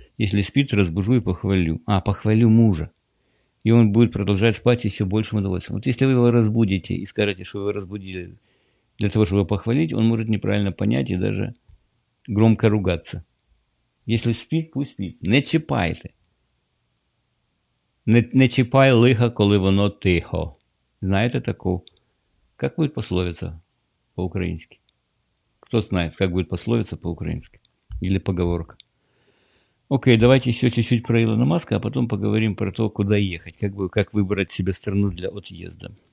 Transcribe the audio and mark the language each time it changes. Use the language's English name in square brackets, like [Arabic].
[Russian] Если спит, разбужу и похвалю. А, похвалю мужа. И он будет продолжать спать еще большим удовольствием. Вот если вы его разбудите и скажете, что вы его разбудили для того, чтобы его похвалить, он может неправильно понять и даже громко ругаться. Если спит, пусть спит. [Ukrainian] Не чипайте. Не чіпай лихо, коли воно тихо. [Russian] Знаете такую? Как будет пословица по-украински? Кто знает, как будет пословица по-украински? Или поговорка? Окей, давайте еще чуть-чуть про Илона Маска, а потом поговорим про то, куда ехать. Как выбрать себе страну для отъезда.